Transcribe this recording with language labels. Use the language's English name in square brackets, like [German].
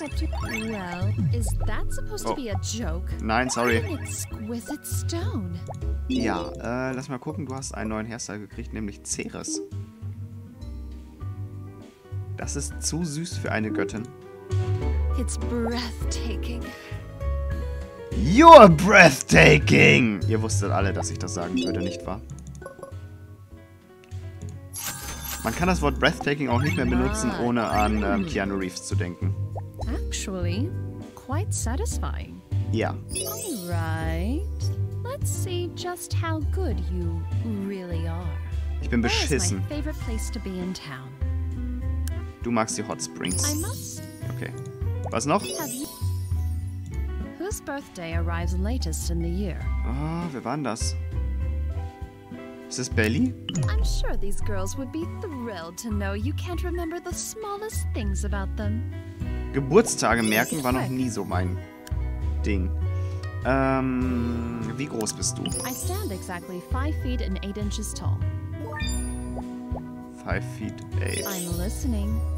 [English] Well, is that supposed to be a joke? [German] Nein, sorry. [English] An exquisite stone. [German] Ja, lass mal gucken. Du hast einen neuen Hairstyle gekriegt, nämlich Ceres. Das ist zu süß für eine Göttin. [English] It's breathtaking. You're breathtaking! [German] Ihr wusstet alle, dass ich das sagen würde, nicht wahr? Man kann das Wort breathtaking auch nicht mehr benutzen, ohne an Keanu Reeves zu denken. [English] Actually, quite satisfying. [German] Ja. [English] Alright, let's see just how good you really are. [German] Ich bin beschissen. [English] Where is my favorite place to be in town? [German] Du magst die Hot Springs. Okay. Was noch? [English] Whose birthday arrives latest in the year? [German] Ah, wer war denn das? Ist das Belly? [English] I'm sure these girls would be thrilled to know you can't remember the smallest things about them. [German] Geburtstage merken war noch nie so mein Ding. Wie groß bist du? [English] I stand exactly 5 feet and 8 inches tall. 5 feet 8. I'm listening.